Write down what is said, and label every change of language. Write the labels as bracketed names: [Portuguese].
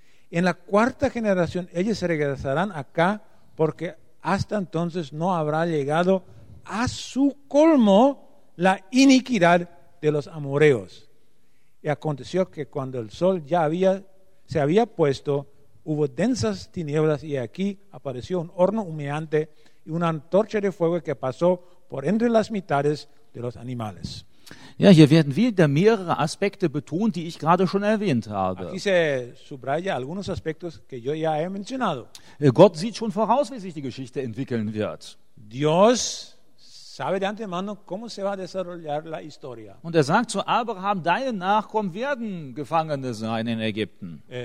[Spanish] En la cuarta generación ellos se regresarán acá porque hasta entonces no habrá llegado a su colmo la iniquidad de los amorreos. Y aconteció que cuando el sol ya había, se había puesto, hubo densas tinieblas y aquí apareció un horno humeante y una antorcha de fuego que pasó por entre las mitades de los animales. [German] Ja, hier werden wieder mehrere Aspekte betont, die ich gerade schon erwähnt habe. [Spanish] Aquí se subraya algunos aspectos que yo ya he mencionado. [German] Gott sieht schon voraus, wie sich die Geschichte entwickeln wird. [Spanish] Dios sabe de antemano cómo se va a desarrollar la historia. [German] Und er sagt zu Abraham, deine Nachkommen werden Gefangene sein in Ägypten.